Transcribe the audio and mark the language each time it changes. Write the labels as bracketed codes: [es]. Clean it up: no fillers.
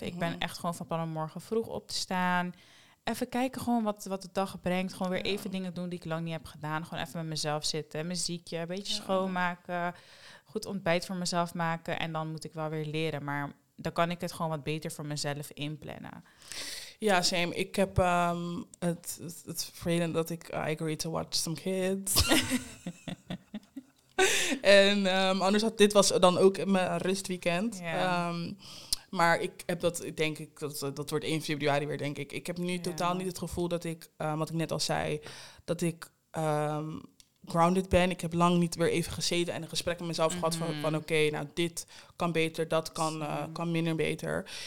[nl] Ik ben echt gewoon van plan om morgen vroeg op te staan. Even kijken gewoon wat de dag brengt. Gewoon weer even dingen doen die ik lang niet heb gedaan. Gewoon even met mezelf zitten. Muziekje, een beetje schoonmaken. Goed ontbijt voor mezelf maken. En dan moet ik wel weer leren. Maar dan kan ik het gewoon wat beter voor mezelf inplannen. Ja, same. Ik heb het vreden dat ik... [en] I agree to watch some kids. [nl] En anders had dit was dan ook mijn rustweekend. Maar ik heb dat, denk ik, dat wordt 1 februari weer, denk ik. Ik heb nu totaal niet het gevoel dat ik, wat ik net al zei, dat ik grounded ben. Ik heb lang niet weer even gezeten en een gesprek met mezelf gehad van oké, nou, dit kan beter, dat kan minder beter.